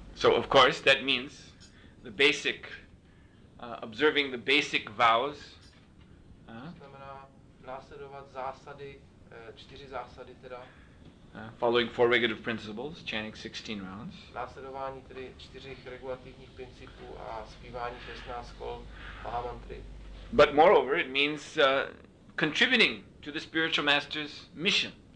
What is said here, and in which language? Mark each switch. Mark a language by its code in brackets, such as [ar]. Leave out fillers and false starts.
[en] So of course that means the basic observing the basic vows. [cs] To znamená následovat zásady, čtyři zásady teda. [en] Following four regulative principles, chanting 16 rounds. [cs] Následování tedy čtyřech regulativních principů a zpívání 16 kol Mahamantry. [en] But moreover, it means contributing to the spiritual master's mission.